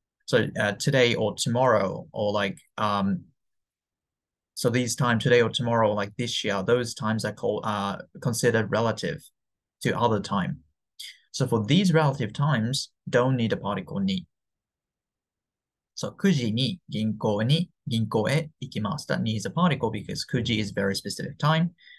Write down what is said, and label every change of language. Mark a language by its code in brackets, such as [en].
[en] So today or tomorrow or like, So these times, today or tomorrow, like this year, those times are called considered relative to other time. So for these relative times, don't need a particle ni. So [ja] 9時に銀行へ行きます. [en] That needs a particle because 9時 is very specific time.